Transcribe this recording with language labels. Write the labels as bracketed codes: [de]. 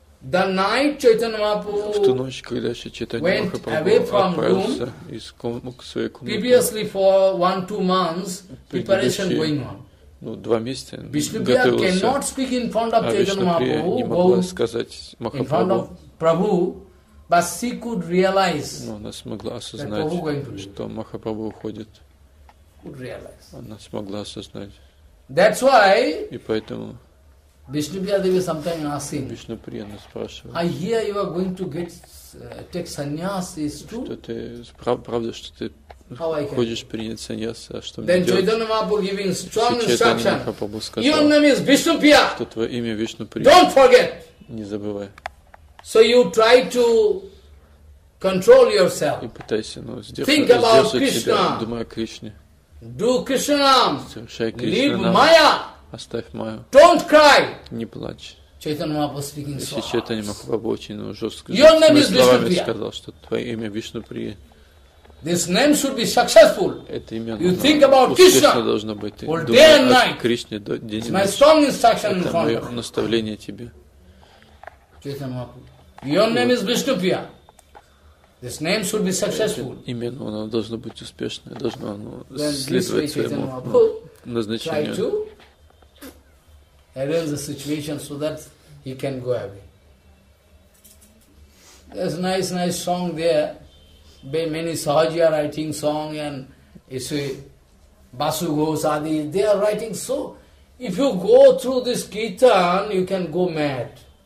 [en] The night Chaitanya Mahaprabhu [ru] ночь, когда Чайтанья Махапрабху отправился из своей комнаты. [en] Previously for 1-2 months preparation going on. [ru] 2 месяца готовился. [en] Vishnu cannot speak in front of Chaitanya Mahaprabhu. [ru] Не могла сказать Махапрабху. [en] In front of Prabhu, but she could realize. [ru] Но она смогла осознать, что Махапрабху уходит. [en] Could realize. [ru] Она смогла осознать. [en] That's why. [ru] И поэтому. [en] Vishnupriya Devi sometimes asking. [ru] Vishnupriya nas спрашивает. [en] I hear you are going to get take sannyas. Is true? [ru] Что ты правда, что ты хочешь принять саньяс, а что мне [en] then [ru] делать? [en] Then Chaitanya Mahaprabhu giving strong instruction. [ru] Сказал, [en] your name is Vishnupriya. [ru] Что твое имя Vishnupriya. [en] Don't forget. [ru] Не забывай. [en] So you try to control yourself. [ru] И пытайся, [en] think about Krishna. [ru] Думай о Кришне. [en] Do Krishna Nam. [ru] Совершай Кришна. [en] Leave Maya. [ru] Оставь Майю. [en] Don't cry. [ru] Не плачь. [en] Chaitanya Mahaprabhu speaking so. [ru] Chaitanya Mahaprabhu очень жестко словами сказал, что твое имя Вишнуприя. [en] This name should be successful. [ru] Это имя. [en] You think about Krishna. [ru] Должно быть. [en] For day and night. [ru] Кришне до день и ночь. [en] My strong instruction in front. [ru] Это мое наставление тебе. [en] Chaitanya Mahaprabhu. Your name is Vishnupriya. This name should be successful. [ru] Именно оно должно быть успешное, должно оно следовать своему назначению. [en] Try to arrange the situation so that he can go away. There's nice song there. By many sahajiya writing song and Basu Ghosh Adi. They are writing so. If you go through this kirtan, you can go mad.